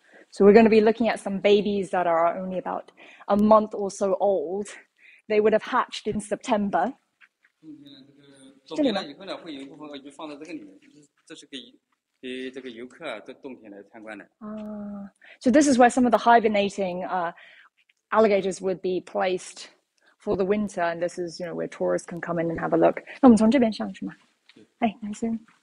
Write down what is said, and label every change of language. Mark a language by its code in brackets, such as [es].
[en] So we're going to be looking at some babies that are only about a month or so old. They would have hatched in September. [zh] 冬天呢，这个冻结了以后呢，会有一部分鱼放在这个里面，就是这是给这个游客在冬天来参观的。 [en] So this is where some of the hibernating alligators would be placed for the winter, and this is, you know, where tourists can come in and have a look. [zh] 那我们从这边上去吗？哎，来先。